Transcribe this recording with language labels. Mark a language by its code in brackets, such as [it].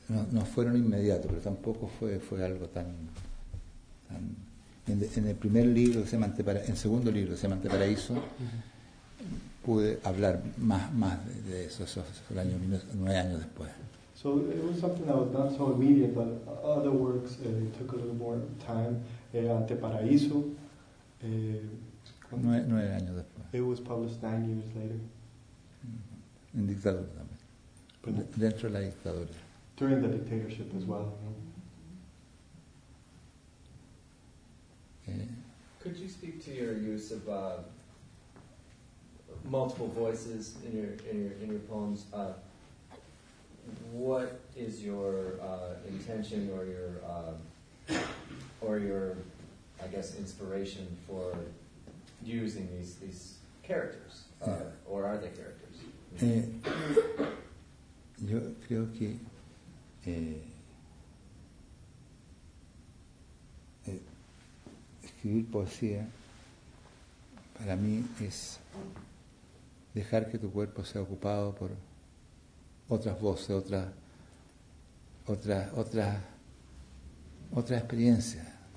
[es] No fueron inmediatos, pero tampoco fue algo tan en el primer libro, en el segundo libro, que se llama Anteparaíso, pude hablar más de eso, fue 9 años después. [en] So it was something that was not so immediate, but other works took a little more time. [es] Anteparaíso. Nueve años después. [en] It was published 9 years later. [es] Mm-hmm. En dictadura también. Dentro de la dictadura. [en] During the dictatorship as well. Mm-hmm. Could you speak to your use of multiple voices in your poems? What is your intention or your I guess inspiration for using these characters or are they characters? [es] Yo creo que escribir poesía para mí es dejar que tu cuerpo sea ocupado por otras voces, otra experiencia.